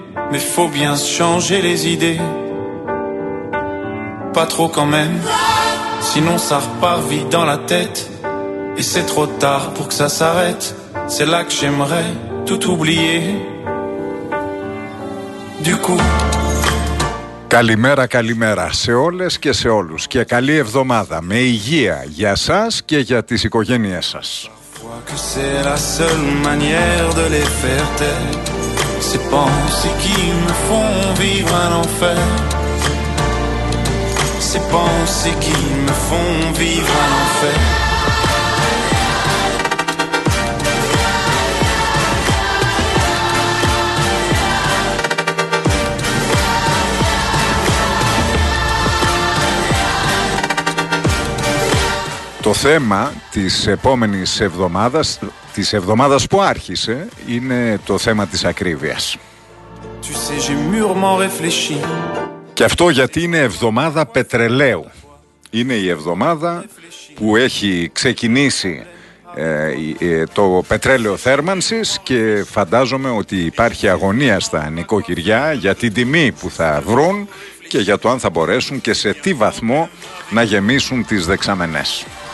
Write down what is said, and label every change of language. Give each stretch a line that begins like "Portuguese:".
French: Mais faut bien se changer les idées. Pas trop quand même, sinon ça repart vite dans la tête. Et c'est trop tard pour que ça s'arrête. C'est là que j'aimerais tout oublier. Du coup.
Greek: Καλημέρα, καλημέρα σε όλες και σε όλους. Και καλή εβδομάδα με υγεία για σας και για τις οικογένειές σας.
French: Que c'est la seule manière de les faire taire. Ces pensées qui me font vivre un enfer. Ces pensées qui me font vivre un enfer.
Greek: Το θέμα της επόμενης εβδομάδας, της εβδομάδας που άρχισε, είναι το θέμα της ακρίβειας.
French: Tu sais, j'ai mûrement réfléchi.
Greek: Και αυτό γιατί είναι εβδομάδα πετρελαίου. Είναι η εβδομάδα που έχει ξεκινήσει το πετρέλαιο θέρμανσης και φαντάζομαι ότι υπάρχει αγωνία στα νοικοκυριά για την τιμή που θα βρουν και για το αν θα μπορέσουν και σε τι βαθμό να γεμίσουν τις δεξαμενές.